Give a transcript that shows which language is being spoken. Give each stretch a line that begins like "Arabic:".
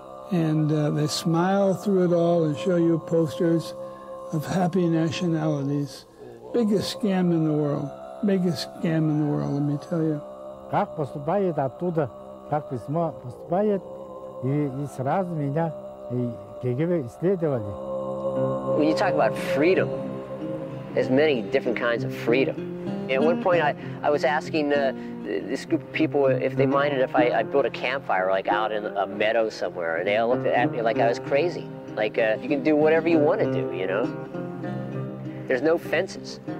English: And they smile through it all and show you posters of happy nationalities. Biggest scam in the world. Biggest scam in the world, let me tell you.
Russian: Как поступает оттуда, как письмо поступает, и сразу меня КГБ исследовали.
English: When you talk about freedom, there's many different kinds of freedom. At one point, I was asking this group of people if they minded if I built a campfire like out in a meadow somewhere, and they all looked at me like I was crazy. Like, you can do whatever you want to do, you know? There's no fences.